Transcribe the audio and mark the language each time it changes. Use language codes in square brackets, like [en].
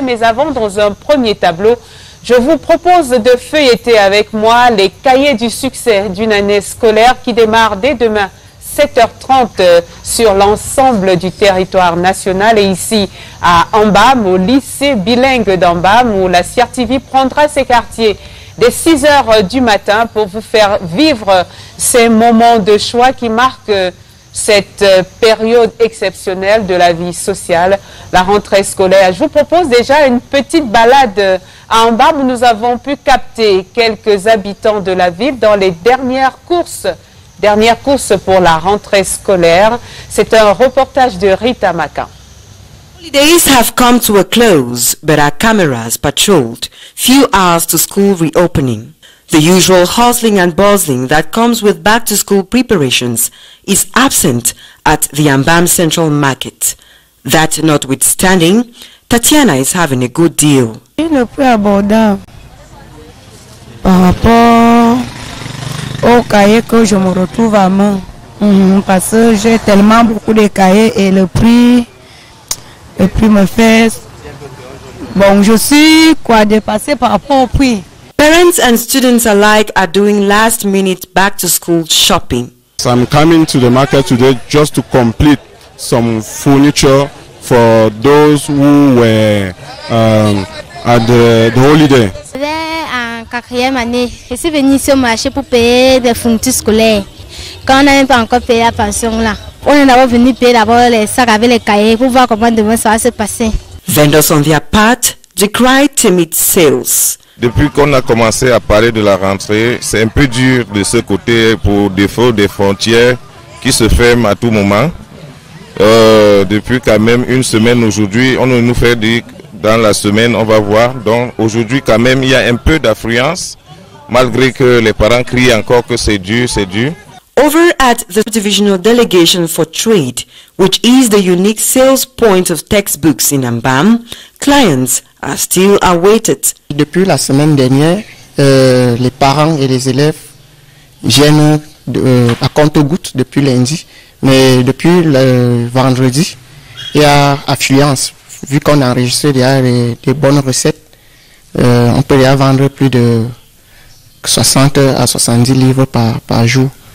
[fr] Mais avant, dans un premier tableau, je vous propose de feuilleter avec moi les cahiers du succès d'une année scolaire qui démarre dès demain 7h30 sur l'ensemble du territoire national et ici à Mbam, au lycée bilingue d'Mbam, où la CIR TV prendra ses quartiers dès 6h du matin pour vous faire vivre ces moments de choix qui marquent cette période exceptionnelle de la vie sociale, la rentrée scolaire. Je vous propose déjà une petite balade à Mbam. Nous avons pu capter quelques habitants de la ville dans les dernières courses pour la rentrée scolaire. C'est un reportage de Rita Maka. [en] Holidays have come to a close, but our cameras patrolled few hours to school reopening. The usual hustling and bustling that comes with back-to-school preparations is absent at the Mbam Central Market. That notwithstanding, Tatiana is having a good deal. [fr] Le prix abordable par rapport au cahier que je me retrouve à main. Parce que j'ai tellement beaucoup de cahiers et le prix me fait... Bon, je suis quoi dépassé par rapport au prix. [en] Parents and students alike are doing last-minute back-to-school shopping. So I'm coming to the market today just to complete some furniture for those who were at the holiday. [fr] Quatrième année, je suis venue sur le marché pour payer des fournitures scolaires. Quand on n'a même pas encore payé la pension là, on est d'abord venu payer d'abord les sacs avec les cahiers pour voir comment demain ça va se passer. [en] Vendors on their part decry timid sales. [fr] Depuis qu'on a commencé à parler de la rentrée, c'est un peu dur de ce côté pour défaut des frontières qui se ferment à tout moment. Depuis quand même une semaine aujourd'hui, on nous fait dire dans la semaine, on va voir. Donc aujourd'hui, quand même, il y a un peu d'affluence, malgré que les parents crient encore que c'est dû, c'est dû. [en] Over at the Divisional Delegation for Trade, which is the unique sales point of textbooks in Mbam, clients are still awaited. [fr] Depuis la semaine dernière, les parents et les élèves viennent à compte-gouttes depuis lundi, mais depuis le vendredi, il y a affluence. Vu qu'on a enregistré déjà des bonnes recettes, on peut déjà vendre plus de 60 à 70 livres par jour.